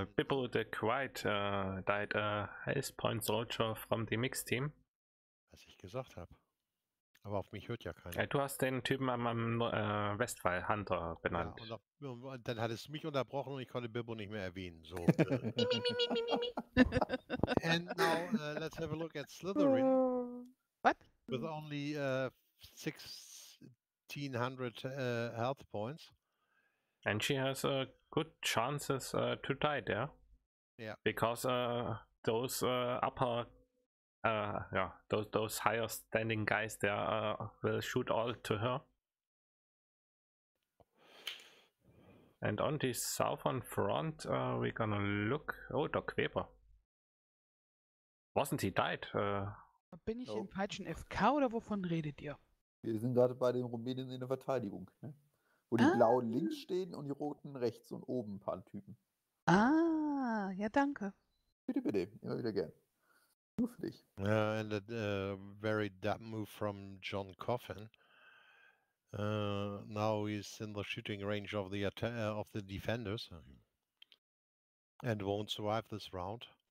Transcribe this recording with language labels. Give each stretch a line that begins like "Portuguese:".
English: Bippo, the quite died a health point soldier from the mixed team.
German: Was ich gesagt habe. Aber auf mich hört ja keiner. Du hast den Typen am Westfall, Hunter, benannt. Ja, und dann hattest du mich unterbrochen und ich konnte Bippo nicht mehr erwähnen. So.
English: And now let's have a look at Slytherin. What? With only 1600 health points. And she has a good chances to die there. Yeah. Because those higher standing guys there will shoot all to her. And on the southern front we're gonna look. Oh, Doc Weber. Wasn't he died?
German: Bin ich im falschen FK oder wovon redet ihr? Wir sind gerade bei den Rumänen in der Verteidigung, ne? Wo die blauen links stehen und die roten rechts und oben ein paar Typen. Ah, ja, danke. Bitte, bitte, immer wieder gern. Nur für dich.
English: Ja, and a very dumb move from John Coffin. Now he's in the shooting range of the defenders. And won't survive this round.